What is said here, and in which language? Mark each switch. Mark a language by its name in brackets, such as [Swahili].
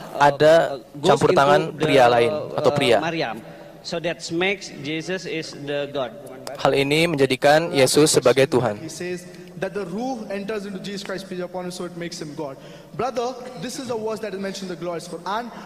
[Indonesian] ada campur tangan pria lain atau pria. Maryam. [English] So that makes Jesus is the God. [Indonesian] Hal ini menjadikan Yesus sebagai Tuhan. [English] He says that the Ruh enters into Jesus Christ upon him, so it makes him God. Brother, this is a verse that is mentioned in the glorious Quran.